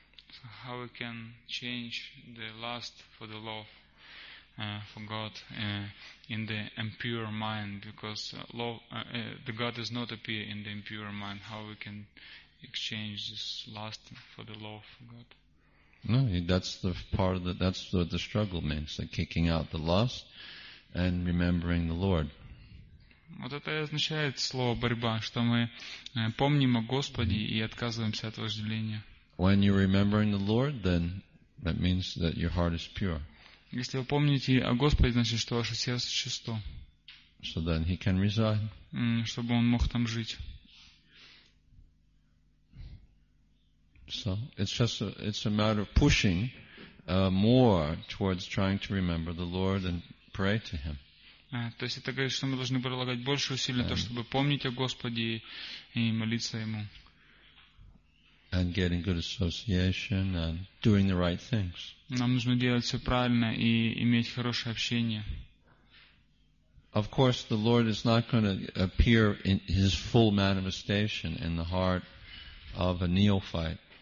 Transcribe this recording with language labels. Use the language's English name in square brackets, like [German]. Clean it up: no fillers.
[English] So how we can change the lust for the love for God in the impure mind, because the God does not appear in the impure mind. How we can exchange this lust for the love for God? No, that's the part of that's what the struggle means, the kicking out the lust and remembering the Lord. [Russian] Вот это означает слово борьба, что мы помним о Господе и отказываемся от вожделения. [English] When you're remembering the Lord, then that means that your heart is pure. [Russian] Если вы помните о Господе, значит, что ваше сердце чисто. [English] So then he can reside. [Russian] Чтобы он мог там жить. [English] So it's just it's a matter of pushing more towards trying to remember the Lord and pray to Him. [Russian] То есть это говорит, что мы должны прилагать больше усилий на то, чтобы помнить о Господе и молиться Ему. [English] And getting good association and doing the right things. [Russian] Нам нужно делать все правильно и иметь хорошее общение. [English] Of course, the Lord is not going to appear in His full manifestation in the heart of a neophyte.